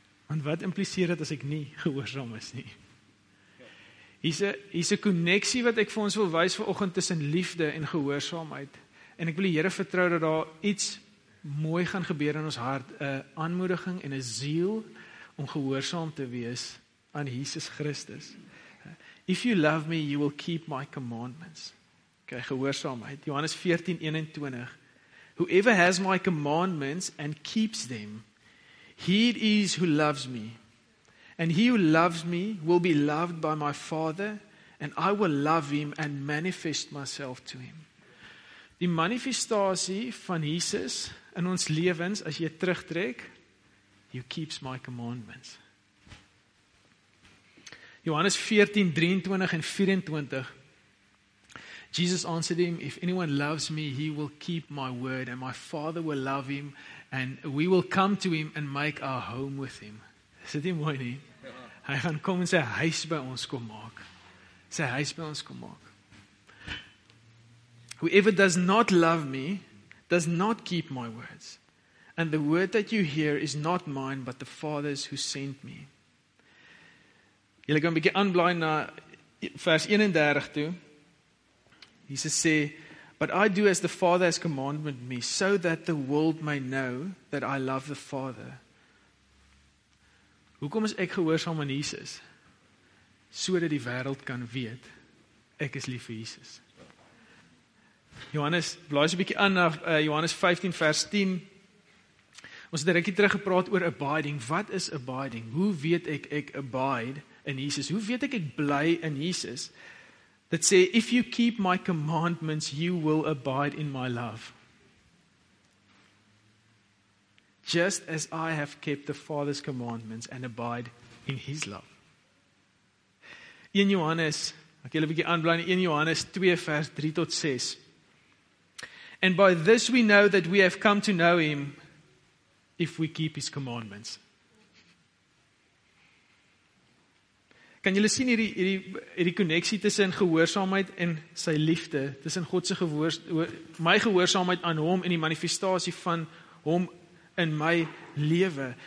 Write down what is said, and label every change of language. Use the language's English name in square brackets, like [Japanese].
[Afrikaans] Want wat impliseer dit as ek nie gehoorsaam is nie? Hier is 'n koneksie wat ek vir ons wil wys vanoggend tussen liefde en gehoorsaamheid. En ek wil die Here vertrou dat daar iets mooi gaan gebeur in ons hart, 'n aanmoediging en 'n ziel om gehoorsaam te wees aan Jesus Christus. [English] If you love me, you will keep my commandments. Okay, gehoorsaamheid. Johannes 14:21. Whoever has my commandments and keeps them, he it is who loves me. And he who loves me will be loved by my Father, and I will love him and manifest myself to him. [Afrikaans] Die manifestasie van Jesus in ons lewens, as jy terugtrek, [English] he keeps my commandments. [Afrikaans] Johannes 14:23 en 24. [English] Jesus answered him, if anyone loves me, he will keep my word, and my Father will love him, and we will come to him and make our home with him. [Afrikaans] Is dit nie mooi nie? Hy gaan kom en sy huis by ons kom maak. Sy huis by ons kom maak. [English] Whoever does not love me, does not keep my words. And the word that you hear is not mine, but the Father's who sent me. [Afrikaans] Julle gaan 'n bietjie aanblaai na vers 31 toe. Jesus sê, [English] But I do as the Father has commanded me, so that the world may know that I love the Father. [Afrikaans] Hoekom is ek gehoorsaam aan Jesus? Sodat die wêreld kan weet ek is lief vir Jesus. Johannes, blaai so 'n bietjie aan na Johannes 15 vers 10. Ons het 'n rukkie terug gepraat oor abiding. Wat is abiding? Hoe weet ek ek abide in Jesus? Hoe weet ek ek bly in Jesus? Dit sê, [English] if you keep my commandments, you will abide in my love. Just as I have kept the Father's commandments and abide in his love. [Afrikaans] 1 Johannes, ek julle 'n bietjie aanbly, 1 Johannes 2 vers 3 tot 6. [English] And by this we know that we have come to know him, if we keep his commandments. [Afrikaans] Kan julle sien hierdie koneksie tussen gehoorsaamheid en sy liefde, tussen God se my gehoorsaamheid aan hom en die manifestasie van hom in my lewe.